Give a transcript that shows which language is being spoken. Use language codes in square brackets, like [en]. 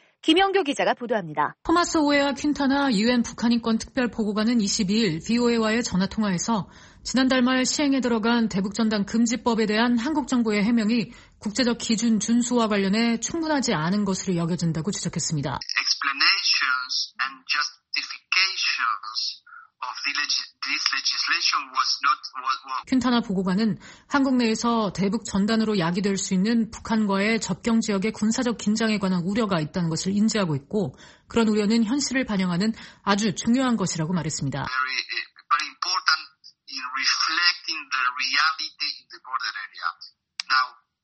[ko] 김영규 기자가 보도합니다. 토마스 오웨어 퀸타나 유엔 북한인권 특별 보고관은 22일 VOA와의 전화 통화에서 지난달 말 시행에 들어간 대북 전단 금지법에 대한 한국 정부의 해명이 국제적 기준 준수와 관련해 충분하지 않은 것으로 여겨진다고 지적했습니다. [en] Explanations and justifications of this legislation was not what [ko] 퀸타나 보고관은 한국 내에서 대북 전단으로 야기될 수 있는 북한과의 접경 지역의 군사적 긴장에 관한 우려가 있다는 것을 인지하고 있고 그런 우려는 현실을 반영하는 아주 중요한 것이라고 말했습니다. [en] Very important in reflecting the reality in the border area. Now,